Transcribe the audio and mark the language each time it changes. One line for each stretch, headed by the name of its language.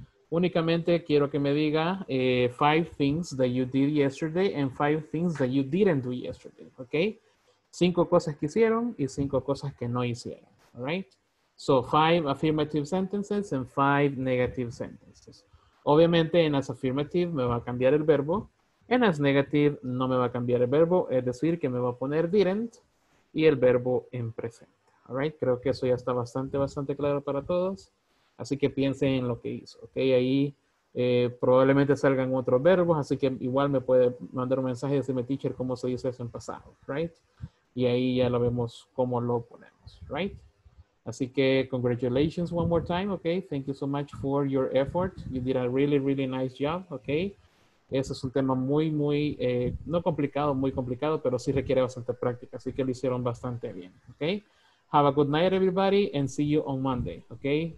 Spanish: Únicamente quiero que me diga
English: five things that you did yesterday and five things that you didn't do yesterday, ok.
Spanish: Cinco cosas que hicieron y cinco cosas que no hicieron,
English: all right. So five affirmative sentences and five negative sentences.
Spanish: Obviamente en las affirmative me va a cambiar el verbo. En las negative no me va a cambiar el verbo, es decir que me va a poner didn't y el verbo en presente.
English: All right,
Spanish: creo que eso ya está bastante claro para todos. Así que piensen en lo que hizo, ¿ok? Ahí probablemente salgan otros verbos, así que igual me puede mandar un mensaje y decirme, teacher, ¿cómo se dice eso en pasado?
English: Right?
Spanish: Y ahí ya lo vemos cómo lo ponemos,
English: right?
Spanish: Así que
English: congratulations one more time, ¿ok? Thank you so much for your effort. You did a really, really nice job, ¿ok?
Spanish: Ese es un tema muy, muy, no complicado, muy complicado, pero sí requiere bastante práctica. Así que lo hicieron bastante bien, ¿ok?
English: Have a good night, everybody, and see you on Monday, okay?